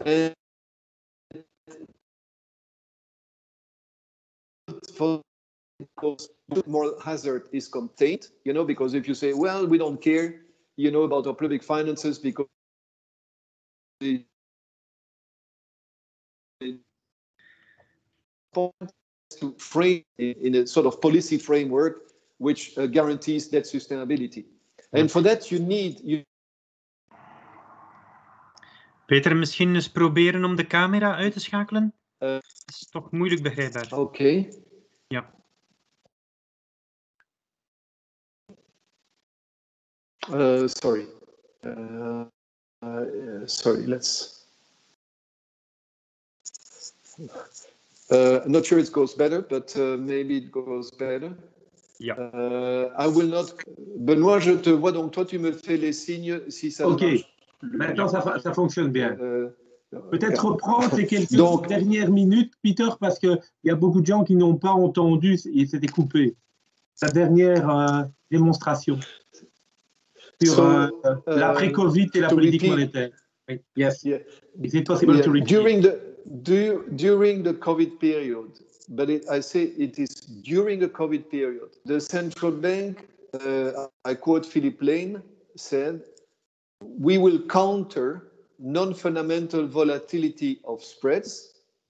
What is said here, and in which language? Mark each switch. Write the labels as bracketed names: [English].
[English] And for moral hazard is contained, you know, because if you say, well, we don't care, you know, about our public finances because to frame in a sort of policy framework which guarantees debt sustainability. And for that you need... [Dutch] Peter, misschien eens proberen om de camera uit te schakelen? Dat is toch moeilijk begrijpbaar. Oké. Okay. Ja. [English] Sorry. Sorry, let's... not sure it goes better, but maybe it goes better. Yeah. I will not. [French] Benoît, je te vois donc toi tu me fais les signes si ça. Ok. Maintenant ça fonctionne bien. Peut-être reprendre ces quelques donc, dernières minutes, Peter, parce que il y a beaucoup de gens qui n'ont pas entendu et c'était coupé. Sa dernière démonstration sur la pré-COVID et la politique monétaire. [English] Yes. Yeah. Is it possible to repeat? During the COVID period, but it is during the COVID period, the central bank, I quote Philip Lane, said, we will counter non-fundamental volatility of spreads.